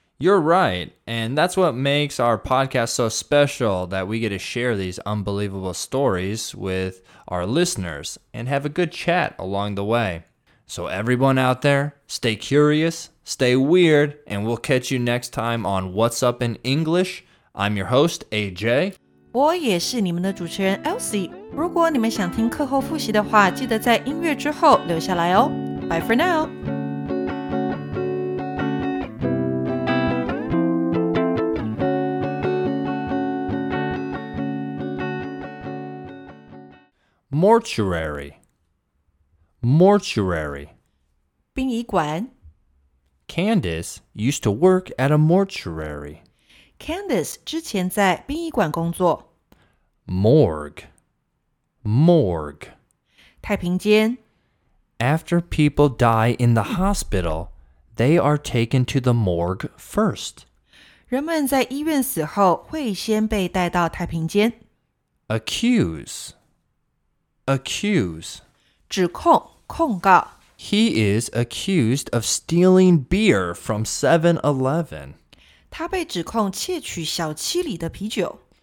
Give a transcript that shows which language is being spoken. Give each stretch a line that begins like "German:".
English: You're right, and that's what makes our podcast so special that we get to share these unbelievable stories with our listeners and have a good chat along the way. So everyone out there, stay curious, stay weird, and we'll catch you next time on What's Up in English. I'm your host, AJ.
Chinese: 我也是你们的主持人 Elsie。如果你们想听课后复习的话，记得在音乐之后留下来哦。
English: Bye for now. Mortuary. Mortuary.
Chinese: 殡仪馆。
English: Candace used to work at a mortuary.
Chinese: Candace 之前在殡仪馆工作。
English: Morgue. Morgue.
Chinese: 太平间。
English: After people die in the hospital, they are taken to the morgue first.
Chinese: 人们在医院死后会先被带到太平间。
English: Accuse. Accuse.
Chinese: 指控，控告。
English: He is accused of stealing beer from 7-Eleven.
Chinese: 他被指控窃取小七里的啤酒。